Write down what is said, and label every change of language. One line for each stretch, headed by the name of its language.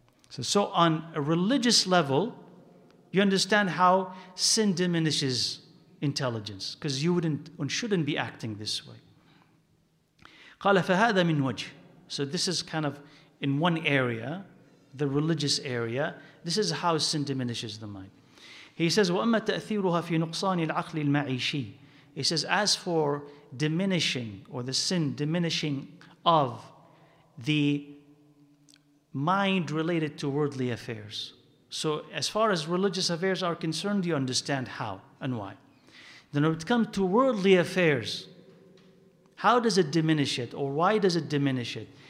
English: So on a religious level, you understand how sin diminishes intelligence, because you wouldn't and shouldn't be acting this way.
Arabic: قَالَ فَهَذَا مِنْ وَجْهِ.
English: So this is kind of in one area, the religious area. This is how sin diminishes the mind. He says,
Arabic: وَأَمَّا تَأْثِيرُهَا فِي نُقْصَانِ الْعَقْلِ الْمَعِيشِ.
English: He says, as for diminishing, or the sin diminishing of the mind related to worldly affairs. So as far as religious affairs are concerned, you understand how and why. Then when it comes to worldly affairs, how does it diminish it, or why does it diminish it?